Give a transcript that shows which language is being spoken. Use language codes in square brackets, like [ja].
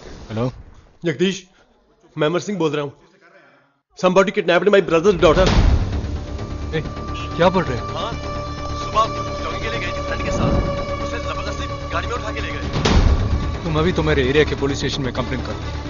[hi] जगदीश, मैं अमर सिंह बोल रहा हूँ. [en] Somebody kidnapped my brother's daughter. [hi] ए, क्या पढ़ रहे हैं? हाँ, सुबह जॉगिंग के लिए गए थे फ्रेंड के साथ. उसे जबरदस्ती गाड़ी में उठा के ले गए. तुम अभी तो मेरे एरिया के पुलिस स्टेशन में कंप्लेन करो.